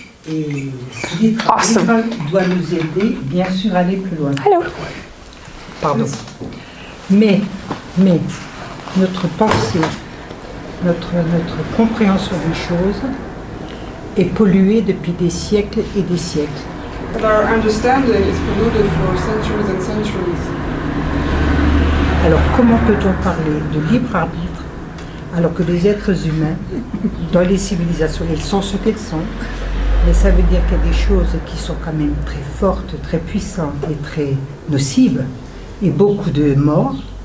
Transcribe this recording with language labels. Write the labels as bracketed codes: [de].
[fr] Et ce libre doit nous aider, bien sûr, à aller plus loin. [en] Hello. [fr] Pardon. Mais, notre pensée, notre compréhension des choses est polluée depuis des siècles et des siècles. [en] But our understanding is polluted for centuries and centuries. [fr] Alors, comment peut-on parler de libre arbitre alors que les êtres humains, dans les civilisations, ils sont ce qu'ils sont? Mais ça veut dire qu'il y a des choses qui sont quand même très fortes, très puissantes et très nocives, et beaucoup de morts.